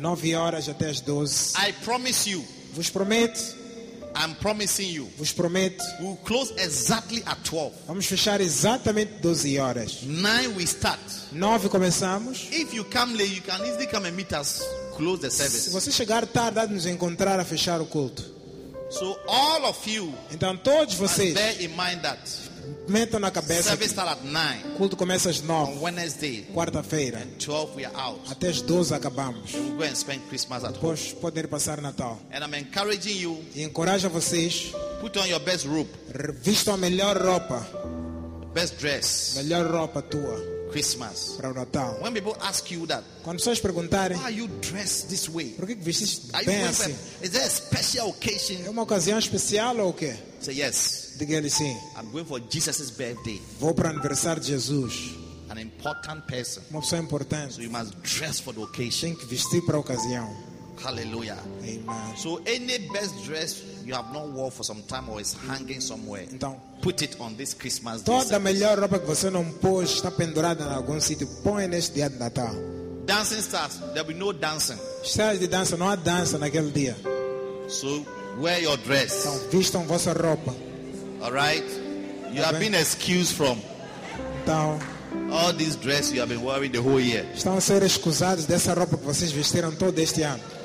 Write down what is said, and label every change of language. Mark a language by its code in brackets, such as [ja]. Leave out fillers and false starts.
[pt] 9 horas até as 12. [en] I promise you. [pt] Vos prometo. [en] I'm promising you. [pt] Vos prometo. [en] We'll close exactly at 12. [pt] Vamos fechar exatamente 12 horas. [en] 9 we start. [pt] 9 começamos. [en] If you come late, you can easily come and meet us close the service. [pt] Se você chegar tarde, nos encontrar a fechar o culto. [en] So all of you. [pt] Então todos vocês. [en] Bear in mind that. [pt] Meta na cabeça. [en] Service start at 9. [pt] Culto começa às 9. [en] On Wednesday. [pt] Quarta-feira. [en] And 12 we are out. [pt] Até às 12 acabamos. [en] We go and spend Christmas at [pt] depois [en] home. [pt] Poder passar Natal. [en] And I'm encouraging you. [pt] E encorajo a vocês. [en] Put on your best robe. [pt] Vista a melhor roupa. [en] Best dress. [pt] Melhor roupa tua. [en] Christmas. [pt] Para o Natal. [en] When people ask you that. [pt] Quando pessoas perguntarem. [en] Why are you dressed this way? [pt] Por que vestiste bem assim? [en] Is there a special occasion? [pt] É uma ocasião especial ou o quê? [en] Say yes. [pt] Diga-lhe sim. [en] I'm going for Jesus' birthday. [pt] Vou para o aniversário de Jesus. [en] An important person. [pt] Uma pessoa importante. [en] So you must dress for the occasion. [pt] Tem que vestir para a ocasião. [en] Hallelujah. Amen. So any best dress you have not worn for some time or is hanging somewhere. [pt] Então, [en] put it on this Christmas [pt] toda [en] day. [pt] Toda a melhor roupa que você não pôs está pendurada em algum sítio. Põe neste dia de Natal. [en] Dancing starts. There will be no dancing. [pt] Estás de dança, não há dança naquele dia. [en] So wear your dress. [pt] Então vistam vossa roupa. [en] All right, you have been excused from [pt] então, [en] all these dress you have been wearing the whole year. [pt] Estão a ser excusados dessa roupa que vocês vestiram todo este ano.